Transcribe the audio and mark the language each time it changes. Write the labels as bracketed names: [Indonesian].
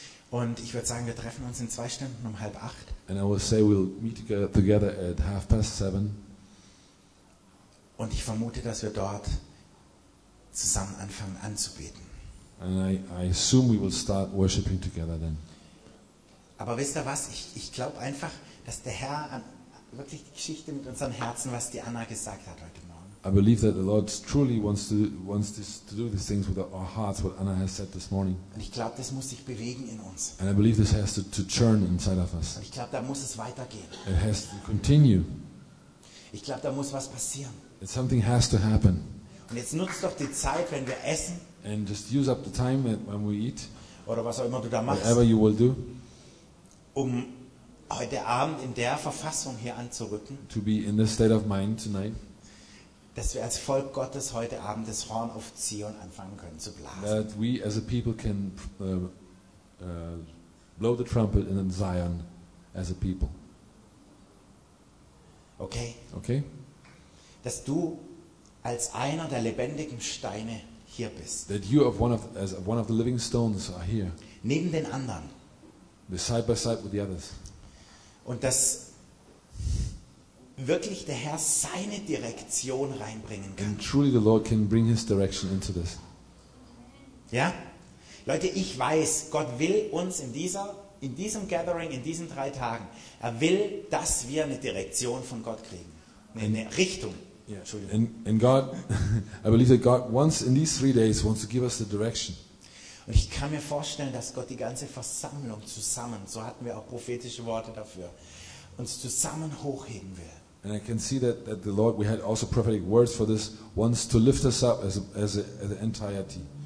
[German] Und ich würde sagen, wir treffen uns in 2 Stunden um 7:30. [English] And I would say we'll meet together at 7:30. [German] Und ich vermute, dass wir dort zusammen anfangen anzubeten. [English] And I assume we will start worshiping together then. [German] Aber wisst ihr was? Ich glaube einfach, dass der Herr wirklich die Geschichte mit unseren Herzen, was die Anna gesagt hat heute Morgen. [English] I believe that the Lord truly wants to do these things with our hearts, what Anna has said this morning. [German] Und ich glaube, das muss sich bewegen in uns. [English] And I believe this has to churn inside of us. [German] Und ich glaube, da muss es weitergehen. [English] It has to continue. [German] Ich glaube, da muss was passieren. [English] And something has to happen. [German] Und jetzt nutzt doch die Zeit, wenn wir essen. [English] And just use up the time when we eat. [German] Oder was auch immer du da machst. [English] Whatever you will do. [German] Um heute Abend in der Verfassung hier anzurücken. [English] To be in the state of mind tonight. [German] Dass wir als Volk Gottes heute Abend das Horn auf Zion anfangen können zu blasen. [English] That we as a people can blow the trumpet in Zion as a people. Okay. Okay. [German] Dass du als einer der lebendigen Steine hier bist. [English] That you as one of the living stones are here. [German] Neben den anderen. [English] Side by side with the others. [German] Und dass wirklich der Herr seine Direktion reinbringen kann. [English] And truly the Lord can bring his direction into this. [German] Ja? Leute, ich weiß, Gott will uns in diesem Gathering, in diesen 3 Tagen, er will, dass wir eine Direktion von Gott kriegen. Eine Richtung. [English] Yeah. And God, I believe that God wants in these 3 days wants to give us the direction. [German] Und ich kann mir vorstellen, dass Gott die ganze Versammlung zusammen, so hatten wir auch prophetische Worte dafür, uns zusammen hochheben will. [English] And I can see that the Lord, we had also prophetic words for this, wants to lift us up as an entirety.